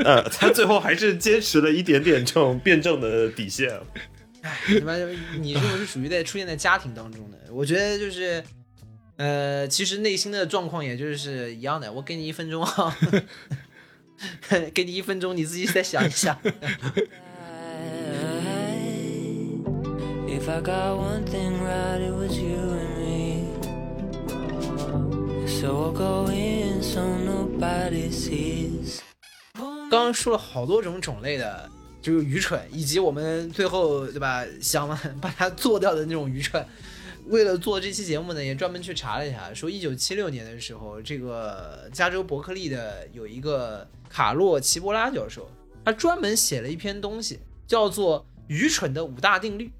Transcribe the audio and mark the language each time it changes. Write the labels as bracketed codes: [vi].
[zh] 他最后还是坚持了一点点这种辩证的底线。哎，你这种是属于在出现在家庭当中的，我觉得就是，其实内心的状况也就是一样的。我给你一分钟啊，给你一分钟，你自己再想一想。 [en] If I got one thing right, it was you and me. So I'll go in so nobody sees. [zh] 刚刚说了好多种种类的，就愚蠢，以及我们最后对吧，想把它做掉的那种愚蠢。为了做这期节目呢，也专门去查了一下，说1976年的时候，这个加州伯克利的有一个卡洛·齐伯拉教授，他专门写了一篇东西，叫做愚蠢的五大定律。